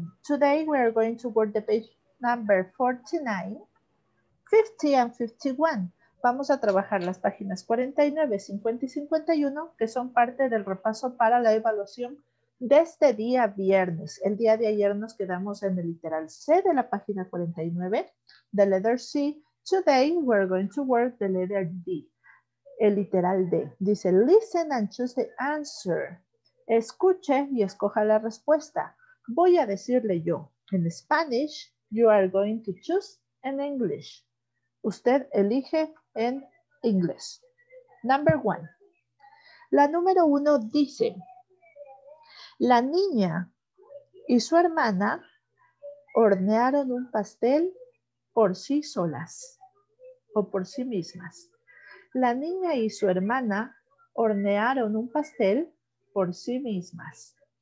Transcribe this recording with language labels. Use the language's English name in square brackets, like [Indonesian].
[English] Today we are going to work the page number 49, 50 and 51. [Spanish] Vamos a trabajar las páginas 49, 50 y 51, que son parte del repaso para la evaluación de este día viernes. El día de ayer nos quedamos en el literal C de la página 49, [English] the letter C. Today we are going to work the letter D, [Spanish] el literal D. Dice, [English] listen and choose the answer. [Spanish] Escuche y escoja la respuesta. Voy a decirle yo. [English] En Spanish, you are going to choose in English. [Spanish] Usted elige en inglés. [English] Number one. [Spanish] La número uno dice, la niña y su hermana hornearon un pastel por sí solas o por sí mismas. La niña y su hermana hornearon un pastel por sí mismas.